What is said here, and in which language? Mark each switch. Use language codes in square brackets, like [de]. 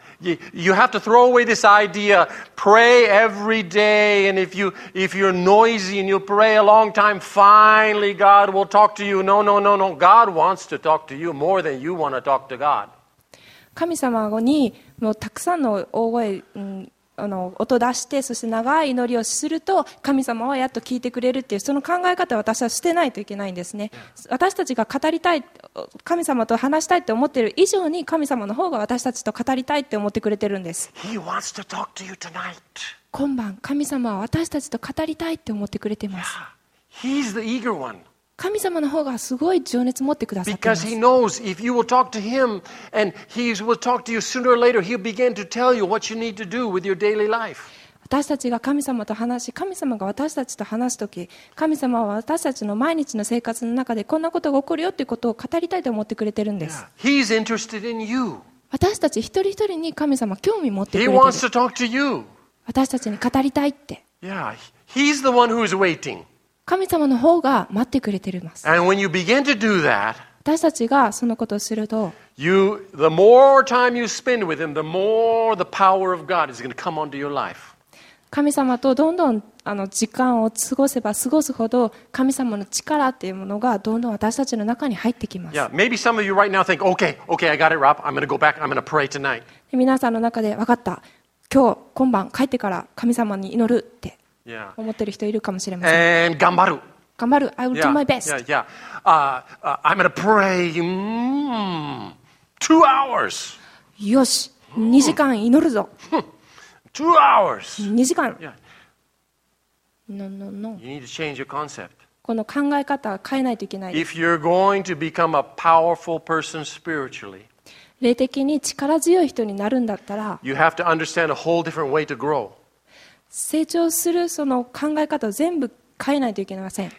[en] Yeah. You have to throw away this idea. Pray every day, and if you're noisy and you pray a long time, finally God will talk to you. No. God wants to talk to you more than you want to talk to God. [ja] 神様にもうたくさんの大声、音を出してそして長い祈りをすると神様はやっと聞いてくれるっていうその考え方を私は捨てないといけないんですね。私たちが語りたい神様と話したいって思っている以上に神様の方が私たちと語りたいって思ってくれてるんです。 [en] He wants to talk to you tonight. [ja] 今晩神様は私たちと語りたいって思ってくれてます。 [en] He's the eager one. [ja] 神様の方がすごい情熱持ってくださってます。 [en] Because he knows if you will talk to him and he will talk to you sooner or later, he'll begin to tell you what you need to do with your daily life. [ja] 私たちが神様と話し、神様が私たちと話すとき、神様は私たちの毎日の生活の中でこんなことが起こるよということを語りたいと思ってくれてるんです。 [en] Yeah. He's interested in you. [ja] 私たち一人一人に神様興味持ってくれて [en] る。He wants to talk to you. [ja] 私たちに語りたいって。 [en] Yeah. He's the one who's waiting. [ja] 神様の方が待ってくれてるます。 [en] And when you begin to do that, [ja] 私たちがそのことをすると、 [en] the more time you spend with him, the more the power of God is going to come onto your life. [ja] 神様とどんどん時間を過ごせば過ごすほど神様の力っていうものがどんどん私たちの中に入ってきます。 [en] Yeah, maybe some of you right now think, okay, okay, I got it, Rob. I'm going to go back. I'm going to pray tonight. [ja] 皆さんの中で分かった。今日、今晩帰ってから神様に祈るって思ってる人いるかもしれません。 [en] Yeah. And 頑張る。頑張る。I will do my best. Yeah, yeah, yeah. I'm going to pray 2 hours. [ja] よし、2時間祈るぞ。 [en] Two hours. [ja] 2時間。 [en] Yeah. No, no, no. You need to change your concept. [ja] この考え方を変えないといけない。 [en] If you're going to become a powerful person spiritually, [ja] 霊的に力強い人になるんだったら、 [en] you have to understand a whole different way to grow. [ja] 成長するその考え方を全部変えないといけません。